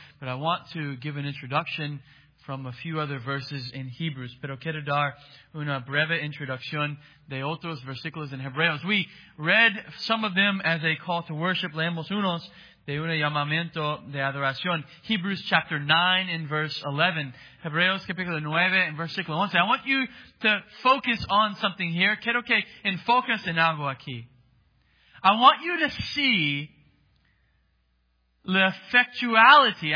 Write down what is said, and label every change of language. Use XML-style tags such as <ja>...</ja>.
<en>But I want to give an introduction from a few other verses in Hebrews.</en> <es>Pero quiero dar una breve introducción de otros versículos en Hebreos.</es> <en>We read some of them as a call to worship.</en> <es>Leemos unos de un llamamiento de adoración.</es> <en>Hebrews chapter 9 in verse 11.</en> <es>Hebreos capítulo 9 in versículo 11.</es> <en>I want you to focus on something here.</en> <es>Quiero que enfocas en algo aquí.</es> <en>I want you to see la effectuality.</en>